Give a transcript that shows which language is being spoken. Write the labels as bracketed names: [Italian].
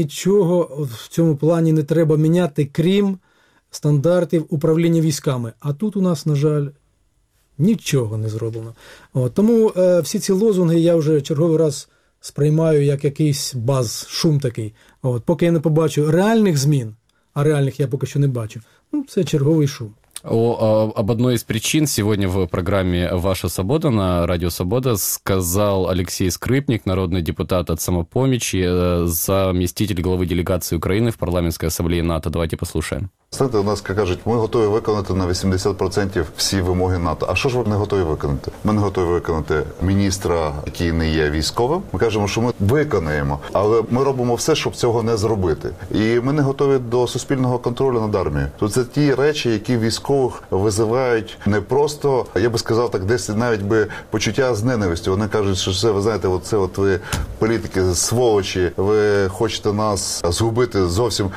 [Ukrainian] Нічого в цьому плані не треба міняти, крім стандартів управління військами. А тут у нас, на жаль, нічого не зроблено. От, тому всі ці лозунги я вже черговий раз сприймаю як якийсь баз, шум такий. От, поки я не побачу реальних змін, а реальних я поки що не бачу, ну, це черговий шум. [Russian] Об одной из причин сегодня в программе «Ваша свобода» на радио «Свобода» сказал Алексей Скрипник, народный депутат от «Самопомощи», заместитель главы делегации Украины в парламентской ассамблее НАТО. Давайте послушаем. Знаете, у нас, как кажуть, мы готовы выполнить на 80% все вимоги НАТО. А что же вы не готовы выполнить? Мы не готовы выполнить министра, который не є військовим. Мы кажемо, что мы выполняем, але мы робимо все, чтобы этого не сделать. [Ukrainian] И мы не готовы до суспільного контролю над армією. Тобто, это те речі, які військових визивають не просто, я би сказав так, десь навіть би почуття з ненавистю. Вони кажуть, що це, ви знаєте, оце от ви політики, сволочі, ви хочете нас згубити зовсім.